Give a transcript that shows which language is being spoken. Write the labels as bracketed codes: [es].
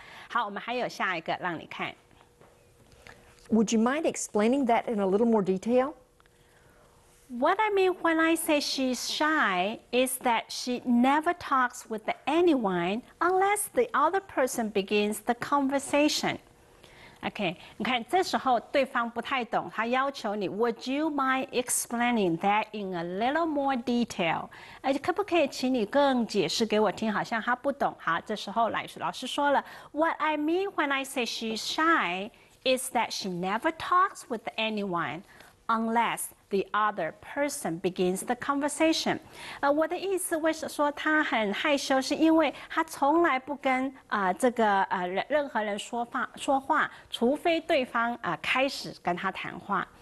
[zh] 好，我们还有下一个让你看。 [en] Would you mind explaining that in a little more detail? What I mean when I say she's shy is that she never talks with anyone unless the other person begins the conversation. Okay, [zh] 你看这时候对方不太懂，他要求你 [en] Would you mind explaining that in a little more detail? [zh] 可不可以请你更解释给我听？好像他不懂。好，这时候老师说了 [en] What I mean when I say she's shy is that she never talks with anyone unless. The other person begins the conversation. [zh] 我的意思为什么说他很害羞，是因为他从来不跟任何人说话，除非对方开始跟他谈话。